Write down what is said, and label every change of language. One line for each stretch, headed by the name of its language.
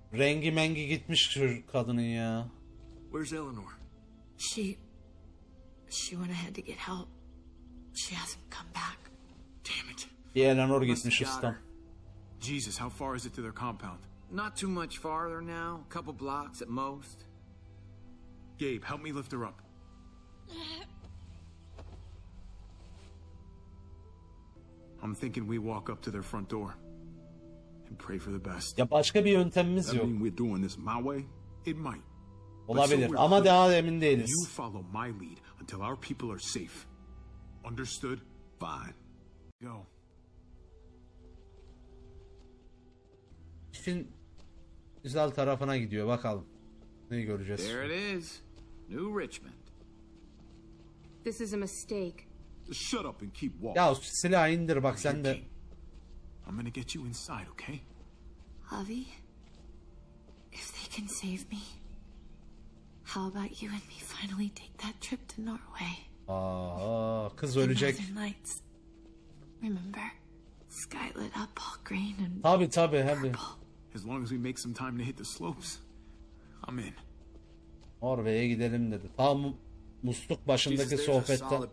Turkish: Rengi mengi gitmiş kadının ya.
English: Where's Eleanor? She went ahead to get help. She hasn't come back. Damn it.
Turkish: Bir Eleanor gitmiş ustam.
English: Jesus, how far is it to their compound? Not too much farther now. A couple blocks at most. Gabe, help me lift her up. I'm thinking we walk up to their front door. Pray for the best.
Turkish: Ya başka bir yöntemimiz yok.
English: We're doing this my way. It might.
Turkish: Olabilir ama daha emin değiliz.
English: You follow my lead until our people are safe. Understood? Fine. Go.
Turkish: Film güzel tarafına gidiyor. Bakalım ne göreceğiz.
English: There it is. New Richmond. This is a mistake. Shut up and keep walking.
Turkish: Ya silahı indir bak sen de.
English: I'm gonna get you inside, okay? Javi, if they can save me, how about you and me finally take that trip to Norway?
Turkish: Aa, kız ölecek.
English: Remember, sky lit up all green and purple. As long as we make some time to hit the slopes, I'm in.
Turkish: Norveç'e gidelim dedi. Tam musluk başındaki sohbette.